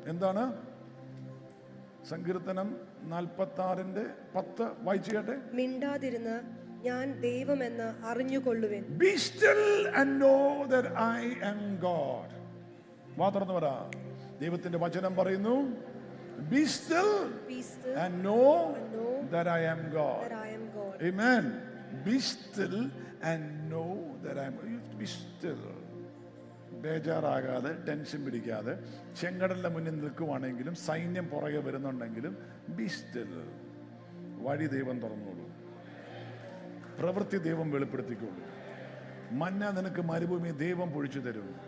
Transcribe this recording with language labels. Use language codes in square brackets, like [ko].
[ml] എന്താണ് സങ്കീർത്തനം 46:10 വായിച്ചു കേട്ടെ. മിണ്ടാതിരുന്ന് ഞാൻ ദൈവമെന്ന് അറിഞ്ഞുകൊള്ളുവിൻ. [en] Be still and know that I am God. [ml] മാത്രം വരാ. ദൈവത്തിന്റെ വചനം പറയുന്നു, [en] be still, be still and know, that I am God. Amen. Be still and know that I am God. You be still. [ml] ബേജാറാകാതെ, tension പിടിക്കാതെ, ചെങ്കടലിന്റെ മുന്നിൽ നിൽക്കുവാണെങ്കിലും സൈന്യം പുറകെ വരുന്നുണ്ടെങ്കിലും [en] Be still. [ml] വഴി ദൈവം തുറന്നോളൂ, പ്രവൃത്തി ദൈവം വെളിപ്പെടുത്തിക്കോളൂ, മന്ന നിനക്ക് മരുഭൂമി ദൈവം പൊഴിച്ചു തരൂ.